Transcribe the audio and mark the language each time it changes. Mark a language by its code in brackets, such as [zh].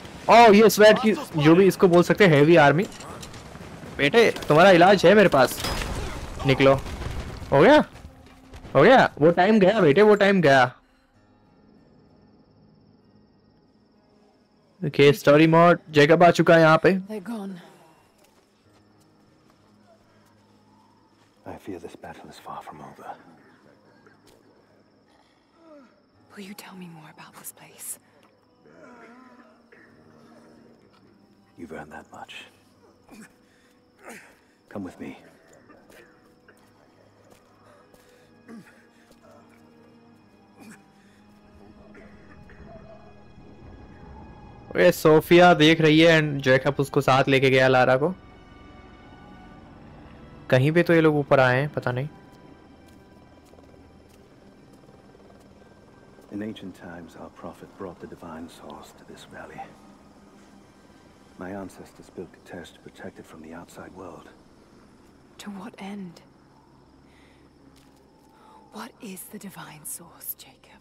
[hi] ओह ये स्वैट की जो भी इसको बोल सकते हैं, हेवी आर्मी। बेटे तुम्हारा इलाज है मेरे पास, निकलो। हो गया वो टाइम गया बेटे, वो टाइम गया। ओके स्टोरी मोड जैकब आ चुका है यहाँ पे। [en] I fear this battle is far from over. Will you tell me more about this place? You've earned that much. Come with me. [hi] ये सोफिया देख रही है एंड जैकब उसको साथ लेके गया लारा को। कहीं पे तो ये लोग ऊपर आए हैं पता नहीं। [en] In ancient times, our prophet brought the divine source to this valley. My ancestors built a test to protect it from the outside world. To what end? What is the divine source, Jacob?